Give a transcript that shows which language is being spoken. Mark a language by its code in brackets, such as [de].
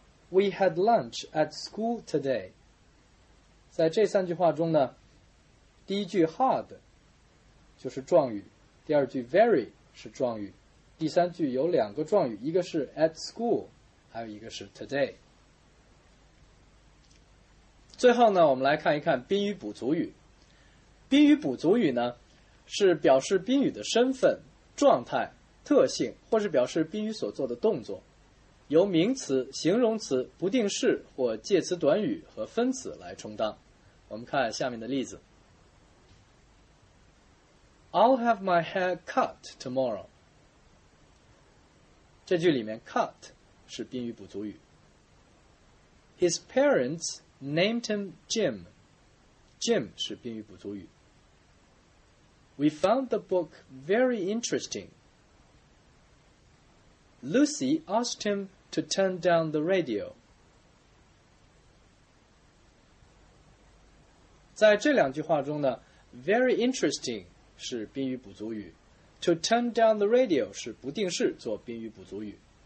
[en] We had lunch at school today. [zh] 在这三句话中呢，第一句 hard 就是状语，第二句 very 是状语，第三句有两个状语，一个是 [en] at school, [zh] 还有一个是 today。最后呢，我们来看一看宾语补足语。宾语补足语呢，是表示宾语的身份、状态、特性，或是表示宾语所做的动作，由名词、形容词、不定式或介词短语和分词来充当。我们看下面的例子。 [en] I'll have my hair cut tomorrow. [zh] 这句里面 cut 是宾语补足语。 [en] His parents named him Jim. [zh] Jim 是宾语补足语。 [en] We found the book very interesting. Lucy asked him to turn down the radio. [zh] 在这两句话中呢 , [en] very interesting [zh] 是宾语补足语。 [en] To turn down the radio [zh] 是不定式做宾语补足语。